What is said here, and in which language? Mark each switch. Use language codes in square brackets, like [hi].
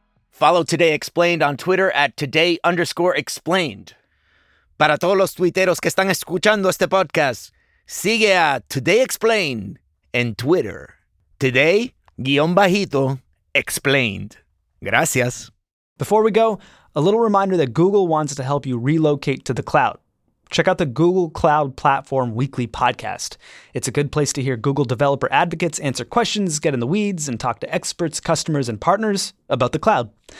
[en] Follow Today Explained on Twitter at @today_explained. [es] Para todos los tuiteros que están escuchando este podcast, sigue a Today Explained en Twitter. [en] Today, _, explained. [es] Gracias. [en] Before we go, a little reminder that Google wants to help you relocate to the cloud. Check out the Google Cloud Platform Weekly Podcast. It's a good place to hear Google developer advocates answer questions, get in the weeds, and talk to experts, customers, and partners about the cloud.